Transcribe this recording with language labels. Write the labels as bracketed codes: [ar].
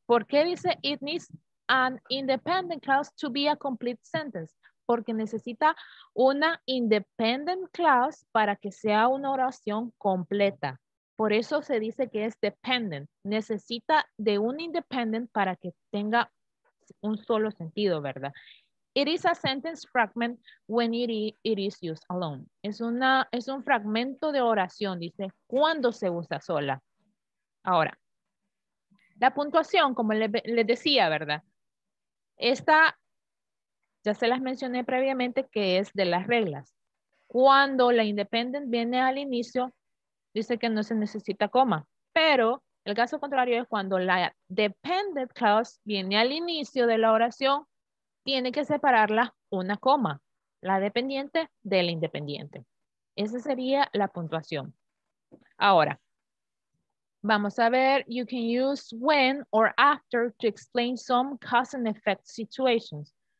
[es] ¿Por qué dice [en] it needs an independent clause to be a complete sentence? [es] Porque necesita una independent clause para que sea una oración completa. Por eso se dice que es dependent. Necesita de un independent para que tenga un solo sentido, ¿verdad? [en] It is a sentence fragment when it is used alone. [es] Es un fragmento de oración, dice, cuando se usa sola. Ahora, la puntuación, como le decía, ¿verdad? Esta, ya se las mencioné previamente, que es de las reglas. Cuando la independent viene al inicio, dice que no se necesita coma. Pero el caso contrario es cuando la dependent clause viene al inicio de la oración, tiene que separarla una coma, la dependiente de la independiente. Esa sería la puntuación. Ahora, vamos a ver, [en] you can use when or after to explain some cause and effect situations.